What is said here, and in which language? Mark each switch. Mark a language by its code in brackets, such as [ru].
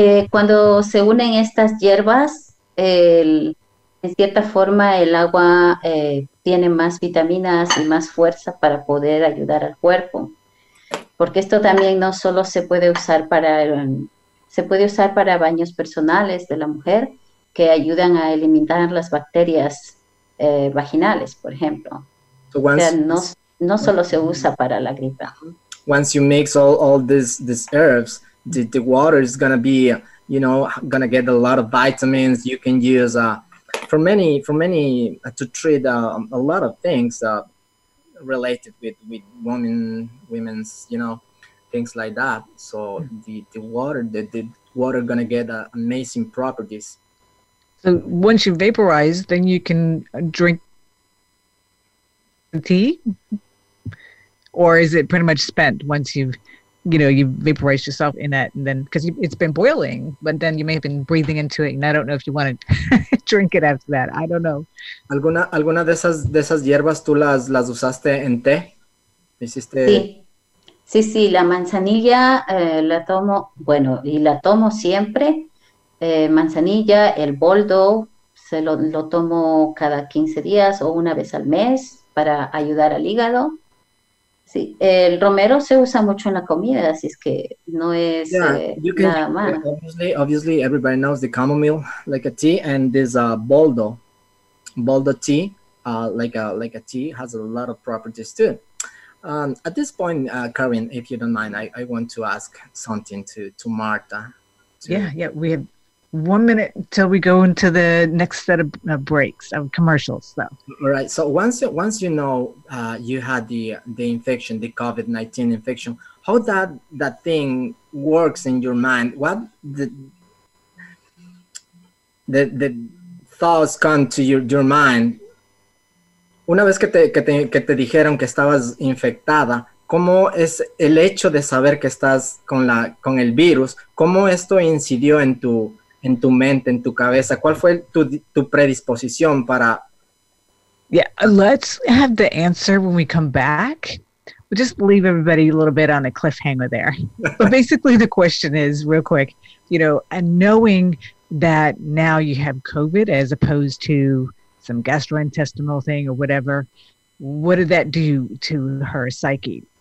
[es] Cuando se unen estas hierbas, en cierta forma el agua tiene más vitaminas y más fuerza para poder ayudar al cuerpo. Porque esto también no solo se puede usar para baños personales de la mujer, que ayudan a eliminar las bacterias vaginales, por ejemplo. [en] So once, [es] o sea, no solo se usa para la gripa. [en] Once you mix all these herbs, the water is going to be, you know, going to get a lot of vitamins. You can use for many to treat a lot of things related with women's, you know, things like that. So the water going to get amazing properties. So once you vaporize, then you can drink tea? Or is it pretty much spent once you vaporize yourself in that, and then, because it's been boiling, but then you may have been breathing into it, and I don't know if you want to drink it after that. I don't know. [es] ¿Alguna de esas hierbas tú las usaste en té? ¿Hiciste? Sí, la manzanilla la tomo, bueno, y la tomo siempre. Manzanilla, el boldo, lo tomo cada 15 días o una vez al mes para ayudar al hígado. Sí, el romero se usa mucho en la comida, así es que no es nada malo. [en] Obviously, everybody knows the chamomile, like a tea, and this boldo tea, like a tea, has a lot of properties too. At this point, Karin, if you don't mind, I want to ask something to Marta. Yeah, we have 1 minute until we go into the next set of breaks of commercials, though. All right. So once you know you had the infection, the COVID-19 infection, how that thing works in your mind? What the thoughts come to your mind? [es] Una vez que te dijeron que estabas infectada, ¿cómo es el hecho de saber que estás con el virus? ¿Cómo esto incidió en tu mente, en tu cabeza? ¿Cuál fue tu predisposición para? [en] Yeah, let's have the answer when we come back. We'll just leave everybody a little bit on a cliffhanger there. But basically the question is, real quick, you know, and knowing that now you have COVID as opposed to some gastrointestinal thing or whatever, what did that do to her psyche?